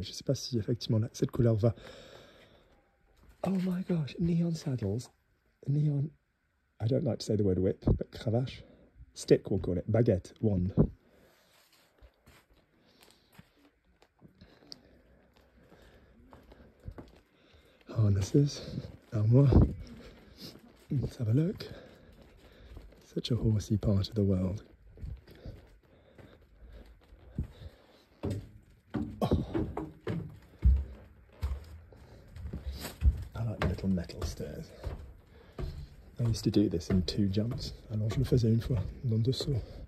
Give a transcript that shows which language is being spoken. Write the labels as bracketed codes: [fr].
[fr] Je sais pas si effectivement cette couleur va. [en] Oh my gosh, neon saddles. Neon, I don't like to say the word whip, but cravache. Stick, we'll call it, baguette, wand. Harnesses, armoire. Let's have a look. Such a horsey part of the world. Oh. I like little metal stairs. I used to do this in two jumps. [fr] Alors je le faisais une fois, dans deux sauts.